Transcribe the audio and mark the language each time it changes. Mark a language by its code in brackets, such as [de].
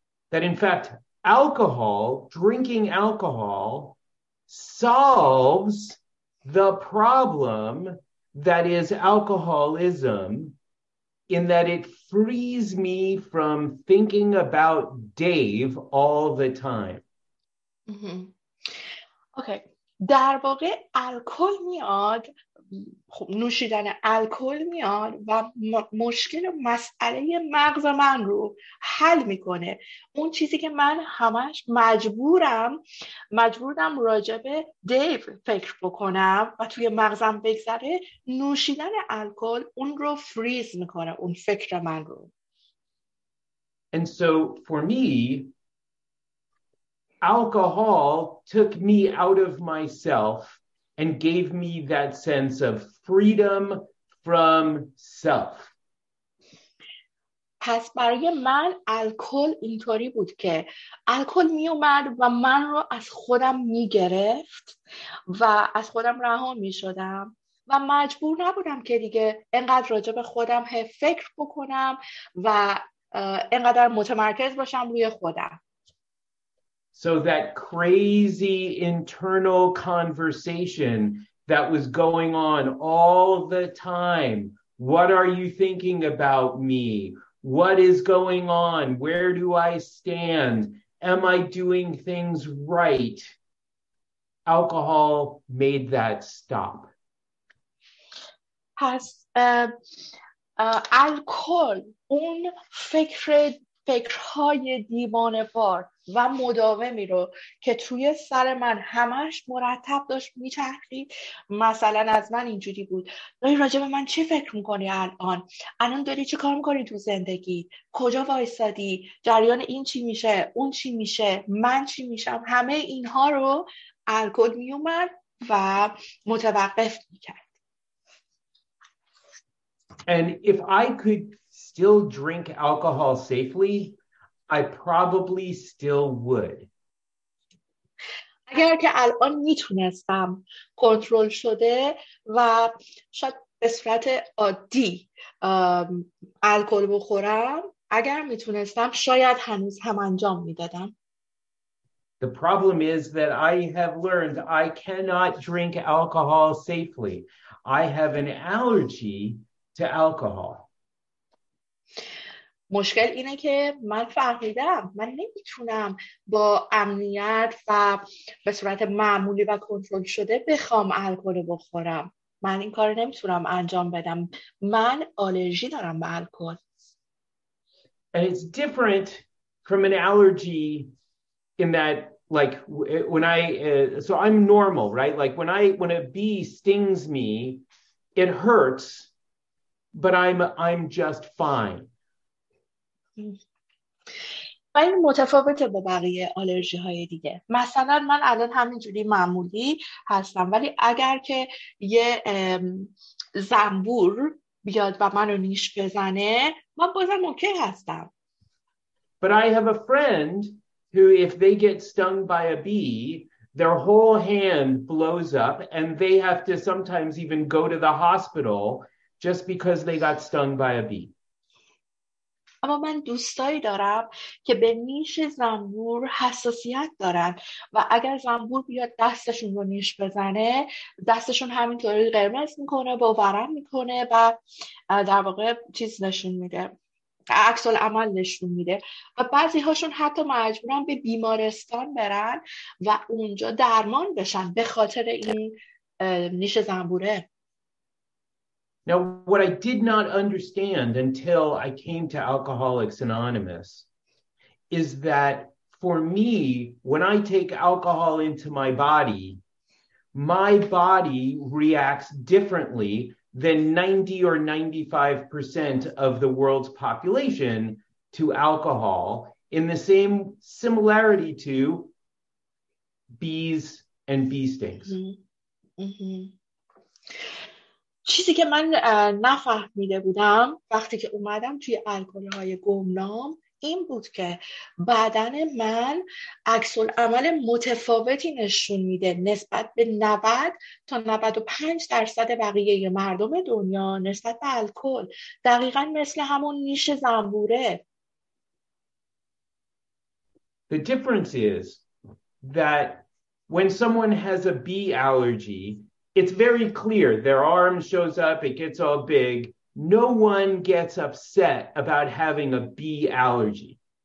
[en] That in fact alcohol, drinking alcohol solves the problem that is alcoholism in that it frees me from thinking about Dave all the time. Mm-hmm. Okay. [fa] در واقع الکل میاد، خب نوشیدن الکل میاد و مشکل و مسئله مغز من رو حل میکنه. اون چیزی که من همش مجبورم راجب دیو فکر بکنم و توی مغزم بگذره، نوشیدن الکل اون رو فریز میکنه، اون فکر من رو. [en] And so for me, alcohol took me out of myself and gave me that sense of freedom from self. [fa] پس برای من الکل اینطوری بود که الکل می اومد و من رو از خودم می گرفت و از خودم رها می شدم و مجبور نبودم که دیگه انقدر راجع به خودم فکر بکنم و انقدر متمرکز باشم روی خودم. [en] So that crazy internal conversation that was going on all the time. What are you thinking about me? What is going on? Where do I stand? Am I doing things right? Alcohol made that stop. Has alcohol un [fa] فکرهای دیوانه وار و مداومی رو که توی سر من همش مرتب داشت میچرخید، مثلا از من اینجوری بود: داری راجع به من چه فکر میکنی الان؟ الان داری چه کار میکنی تو زندگی؟ کجا وایستادی؟ جریان این چی میشه؟ اون چی میشه؟ من چی میشم؟ همه اینها رو الکل میومد و متوقف میکرد. [en] And if I could still drink alcohol safely, I probably still would. [fa] اگر که الان میتونستم کنترل شده و شاید به صورت عادی الکل بخورم، اگر میتونستم شاید هنوز هم انجام میدادم. [en] The problem is that I have learned I cannot drink alcohol safely. I have an allergy to alcohol. [fa] مشکل اینه که من فهمیدم من نمیتونم با امنیت و به صورت معمولی و کنترل شده بخوام الکل بخورم. من این کارو نمیتونم انجام بدم. من آلرژی دارم به الکل. [en] And it's different from an allergy in that, like, when I so I'm normal, right? Like when a bee stings me, it hurts, but I'm just fine. [fa] این متفاوته با بقیه آلرژی های دیگه. مثلا من الان همینجوری معمولی هستم، ولی اگر که یه زنبور بیاد و منو نیش بزنه، من بازم اوکی هستم. [en] But I have a friend who, if they get stung by a bee, their whole hand blows up and they have to sometimes even go to the hospital just because they got stung by a bee. [fa] اما من دوستایی دارم که به نیش زنبور حساسیت دارن و اگر زنبور بیاد دستشون رو نیش بزنه، دستشون همینطوری قرمز میکنه، باورم میکنه و در واقع چیز نشون میده، عکس العمل نشون میده و بعضی هاشون حتی مجبورن به بیمارستان برن و اونجا درمان بشن به خاطر این نیش زنبوره. [en] Now, what I did not understand until I came to Alcoholics Anonymous is that for me, when I take alcohol into my body reacts differently than 90 or 95% of the world's population to alcohol, in the same similarity to bees and bee stings. [fa] چیزی که من نفهمیده بودم وقتی که اومدم توی الکل‌های گمنام این بود که بدن من عکس العمل متفاوتی نشون میده نسبت به 90 تا 95 درصد بقیه مردم دنیا نسبت به الکل، دقیقا مثل همون نیش زنبوره. [en] The difference is that when someone has a bee allergy, it's very clear. Their arm shows up, it gets all big, No one gets upset about having a bee allergy.